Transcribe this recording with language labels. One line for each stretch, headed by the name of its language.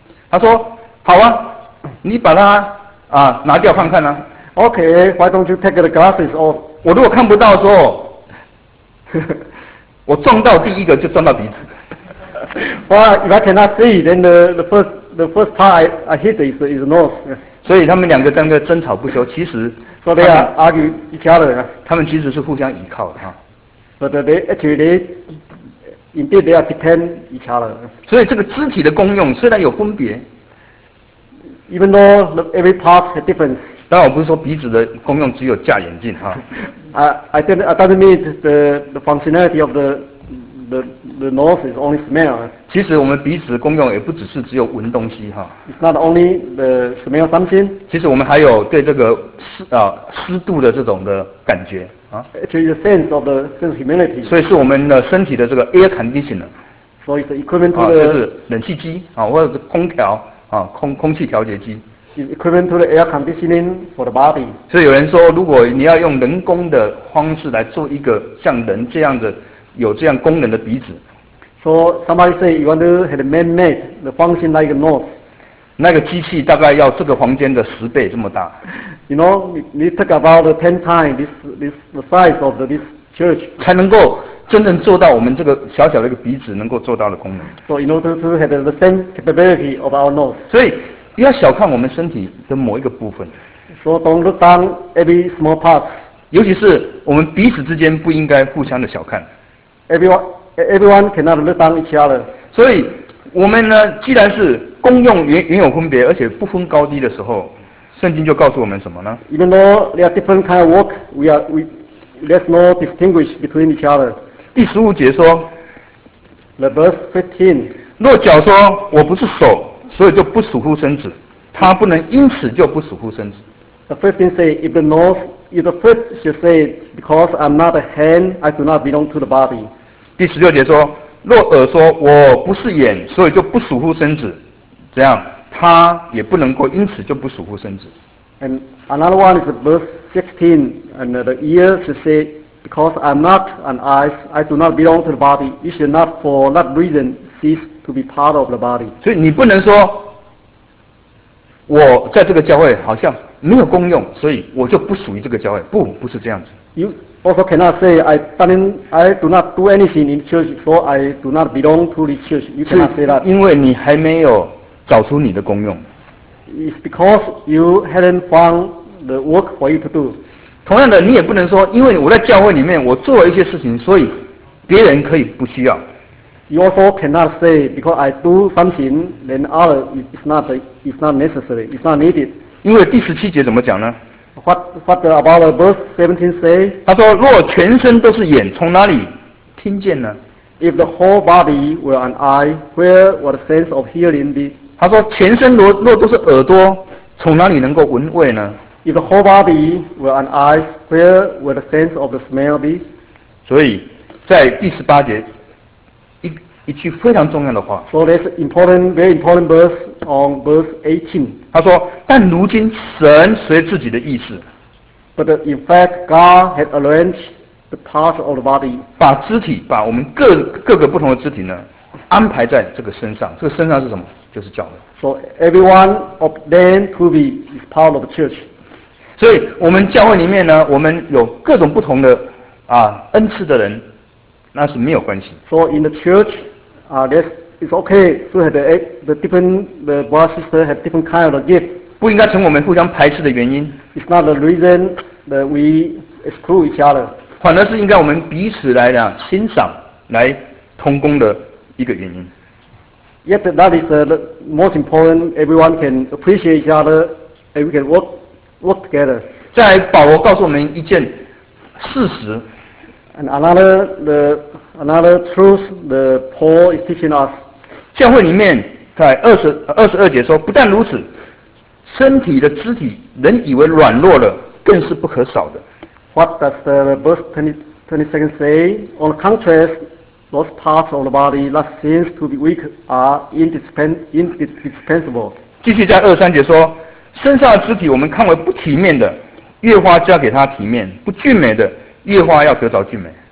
Chinese: 他说：“好啊，你把它拿掉看看呢、啊。
English: ”Okay, why don't you take the glasses off?
Chinese: 我如果看不到的时候，我撞到第一个就撞到鼻子。
English: Well, if I cannot see, then the first part I hit is nose.
Chinese: 所以他们两个在那个争吵不休，其实说的啊
English: ，argue each other.
Chinese: 他们其实是互相依靠的哈。
English: But they actually indeed they are depend each other.
Chinese: 所以这个肢体的功用虽然有分别
English: ，even though every part has difference.
Chinese: 当然我不是说鼻子的功用只有架眼镜哈。
English: I don't mean the functionality of the nose is only smell.
Chinese: 其实我们鼻子的功用也不只是只有闻东西哈。
English: It's not only the smell something.
Chinese: 其实我们还有对这个湿度的这种的感觉啊。
English: Actually, the sense of the sense of humidity.
Chinese: 所以是我们的身体的这个
English: air conditioner. So it's the equipment to the
Chinese: 就是冷气机啊，或者是空调啊，空气调节机。
English: is equivalent to the air conditioning for the body.
Chinese: 所以有人说，如果你要用人工的方式来做一个像人这样的有这样功能的鼻子。
English: So somebody say you want to have a man-made the function like a nose.
Chinese: 那个机器大概要这个房间的十倍这么大。
English: You know, we talk about the 10 times this the size of this church.
Chinese: 才能够真正做到我们这个小小的一个鼻子能够做到的功能。
English: So in order to have the same capability of our nose.
Chinese: 所以不要小看我们身体的某一个部分。
English: So don't look down every small part.
Chinese: 尤其是我们彼此之间不应该互相的小看。
English: Everyone cannot look down each other.
Chinese: 所以我们呢，既然是功用原有分别，而且不分高低的时候，圣经就告诉我们什么呢？
English: Even though there are different kind of work, there's no distinguish between each other.
Chinese: 第十五节说
English: ，The verse 15.
Chinese: 若脚说我不是手，所以就不属乎身子，他不能因此就不属乎身子。
English: The first thing say, if the foot should say, because I'm not a hand, I do not belong to the body.
Chinese: 第十六节说，若耳说我不是眼，所以就不属乎身子，怎样？他也不能够因此就不属乎身子。
English: And another one is verse 16, and the ear should say, because I'm not an eyes, I do not belong to the body. You should not for that reason cease to be part of the body.
Chinese: 所以你不能说，我在这个教会好像没有功用，所以我就不属于这个教会。不是这样子。
English: You also cannot say I do not do anything in church, so I do not belong to the church. You cannot say that.
Chinese: 因为你还没有找出你的功用。
English: It's because you haven't found the work for you to do.
Chinese: 同样的，你也不能说，因为我在教会里面我做了一些事情，所以别人可以不需要。
English: You also cannot say because I do something, then other is not necessary, is not needed.
Chinese: 因为第十七节怎么讲呢？
English: What about the verse 17 say?
Chinese: 他说：若全身都是眼，从哪里听见呢？
English: If the whole body were an eye, where would the sense of hearing be?
Chinese: 他说：“全身若都是耳朵，从哪里能够闻味呢
English: ？”If the whole body were an eyes, where would the sense of the smell be？
Chinese: 所以，在第十八节，一句非常重要的话。
English: So there's important, very important verse on verse 18.
Chinese: 他说：“但如今神随自己的意思
English: ，But in fact God had arranged the parts of the body，
Chinese: 把肢体，把我们各个不同的肢体呢，安排在这个身上。这个身上是什么？” 就是教会。
English: So everyone of them to be is part of the church.
Chinese: 所以我们教会里面呢，我们有各种不同的啊恩赐的人，那是没有关系。
English: So in the church, it's okay to have the different the brother sister have different kind of the gift.
Chinese: 不应该成我们互相排斥的原因。
English: It's not the reason that we exclude each other.
Chinese: 反而是应该我们彼此来讲欣赏来同工的一个原因。
English: Yet that is the most important. Everyone can appreciate each other, and we can work together.
Chinese: 再来，保罗告诉我们一件事实。
English: And another truth the Paul is teaching us.
Chinese: 教会里面在22节说，不但如此，身体的肢体，人以为软弱了，更是不可少的。
English: What does the verse 22 say? On the contrast. Those parts of the body that seems to be weak are indispensable.
Chinese: 继续在二三节说，身上的肢体我们看为不体面的，越发交给他体面；不俊美的，越发要得着俊美。